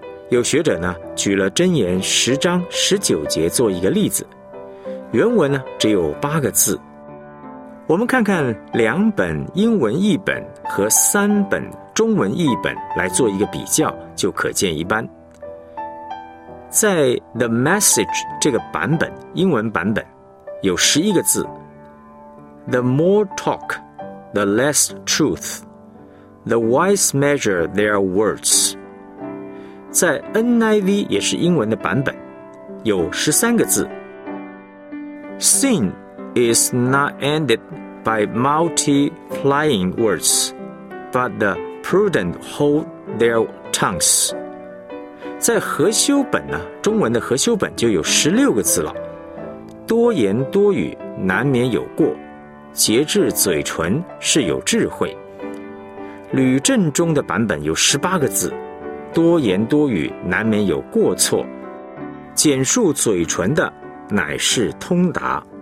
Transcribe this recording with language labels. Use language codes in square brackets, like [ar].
[zh] 有学者呢举了箴言十章十九节做一个例子，原文呢只有八个字。我们看看两本英文译本和三本中文译本来做一个比较，就可见一斑。在 The Message 这个版本，英文版本有十一个字。 [en] The more talk, the less truth. The wise measure their words. [zh] 在 NIV 也是英文的版本，有十三个字。 [en] Sin is not ended by multiplying words, but the prudent hold their tongues. [zh] 在和修本呢，中文的和修本就有十六个字了。多言多语难免有过，节制嘴唇是有智慧。吕正中的版本有十八个字，多言多语难免有过错，简述嘴唇的乃是通达。